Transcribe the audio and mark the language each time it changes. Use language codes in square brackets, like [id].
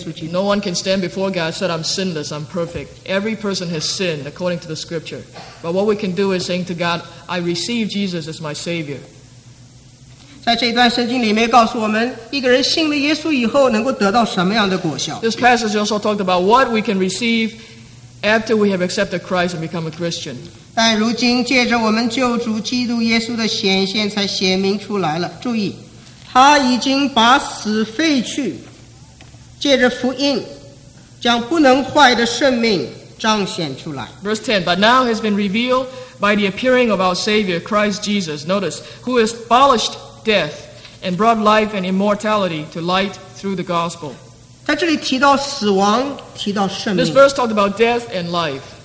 [en] No one can stand before God and say, I'm sinless, I'm perfect. Every person has sinned according to the scripture. But what we can do is saying to God, I receive Jesus as my Savior. [zh] 在这一段圣经里面告诉我们，一个人信了耶稣以后能够得到什么样的果效？ [en] This passage also talked about what we can receive after we have accepted Christ and become a Christian. [zh] 但如今借着我们救主基督耶稣的显现才显明出来了。注意，他已经把死废去，借着福音将不能坏的生命彰显出来。 [en] Verse 10, but now has been revealed by the appearing of our Savior Christ Jesus. Notice, who has abolished death and brought life and immortality to light through the gospel. [zh] 在这里提到死亡, [en] this verse talked about death and life.